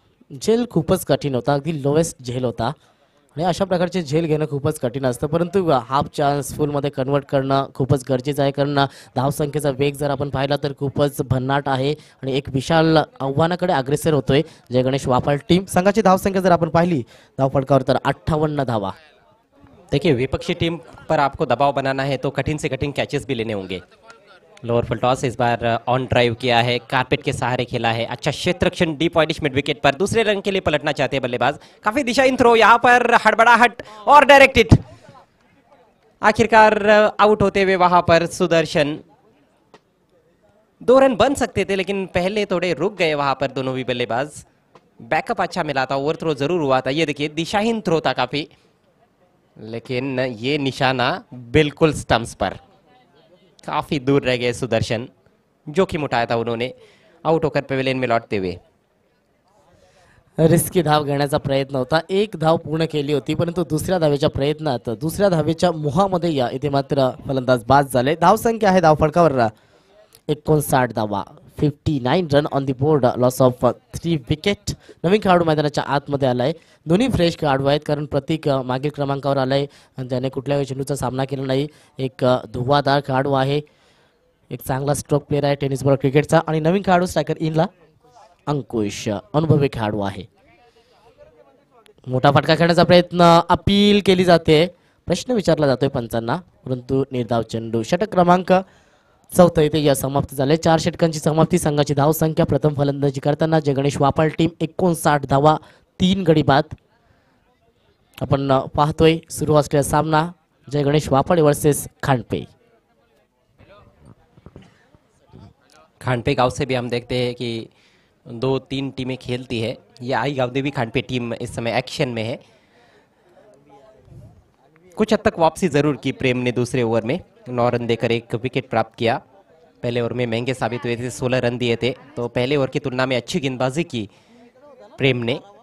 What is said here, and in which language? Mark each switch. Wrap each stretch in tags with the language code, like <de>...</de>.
<mr>झेल खूपच कठीण होता, अगदी लोवेस्ट झेल होता आणि अशा प्रकारचे झेल घेणं खूपच कठीण असतं, परंतु हाफ चान्स फुलमध्ये कन्वर्ट करणं खूपच गरजेचं आहे, कारण धावसंख्येचा वेग जर आपण पाहिला तर खूपच भन्नाट आहे आणि एक विशाल आव्हानाकडे अग्रेसर होतोय जय गणेश वाफळ टीम। संघाची धावसंख्या जर आपण पाहिली धावफटकावर तर 58 धावा।</mr> <hi>देखिए विपक्षी टीम पर आपको दबाव बनाना है तो कठिन से कठिन कैचेस भी लेने होंगे। लोअर फुल टॉस इस बार ऑन ड्राइव किया है, कारपेट के सहारे खेला है। अच्छा क्षेत्ररक्षण डीप पॉइंट मिड विकेट पर, दूसरे रन के लिए पलटना चाहते हैं बल्लेबाज। काफी दिशाहीन थ्रो, यहाँ पर हड़बड़ाहट और डायरेक्टेड, आखिरकार आउट होते हुए वहां पर सुदर्शन। दो रन बन सकते थे लेकिन पहले थोड़े रुक गए वहां पर दोनों भी बल्लेबाज। बैकअप अच्छा मिला था, ओवर थ्रो जरूर हुआ था, ये देखिए दिशाहीन थ्रो था काफी, लेकिन ये निशाना बिल्कुल स्टंप्स पर, काफी दूर रह गए सुदर्शन, जोखिम उठाया था उन्होंने आउट होकर पवेलियन में लौटते हुए।</hi> <mr>रिस्की धाव घेण्याचा प्रयत्न होता, एक धाव पूर्ण केली होती परंतु दुसऱ्या धावेच्या प्रयत्नात दुसऱ्या धावेच्या मोहामध्ये या, इथे मात्र फलंदाज बाद झाले। धाव संख्या आहे धावफळकावर 59 धावा,</mr> <en>59 run on the board, loss of 3 wicket.</en> <mr>नवीन खेळाडू मैदानाच्या आतमध्ये आलाय, दोन्ही फ्रेश खेळाडू आहेत कारण प्रतीक मागील क्रमांकावर आलाय, ज्याने कुठल्याही चेंडूचा सामना केला नाही, एक धुव्वादार खेळाडू आहे, एक चांगला स्ट्रोक प्लेअर आहे टेनिसबॉल क्रिकेटचा, आणि नवीन खेळाडू स्ट्रायकर इनला अंकुश, अनुभवी खेळाडू आहे। मोठा फटका खेळण्याचा प्रयत्न अपील केली जाते, प्रश्न विचारला जातोय पंचांना, परंतु निर्धाव चेंडू। षटक क्रमांक 14 इथे या समाप्त झाले, 4 षटकांची समाप्ती, संघाची धावसंख्या प्रथम फलंदाजी करताना जय गणेश वाफळ टीम 59 धावा 3 गडी बाद। आपण पाहतोय सुरू असलेला सामना जय गणेश वाफळ वर्सेस खांडपे।</mr> <hi>खांडपे गाँव से भी हम देखते हैं कि 2-3 टीमें खेलती है, ये आई गाँव देवी खांडपे टीम इस समय एक्शन में है। कुछ हद तक वापसी जरूर की प्रेम ने दूसरे ओवर में, 9 रन देकर एक विकेट प्राप्त किया, पहले ओवर में महंगे साबित हुए थे 16 रन दिए थे, तो पहले ओवर की तुलना में अच्छी गेंदबाजी की प्रेम ने।</hi>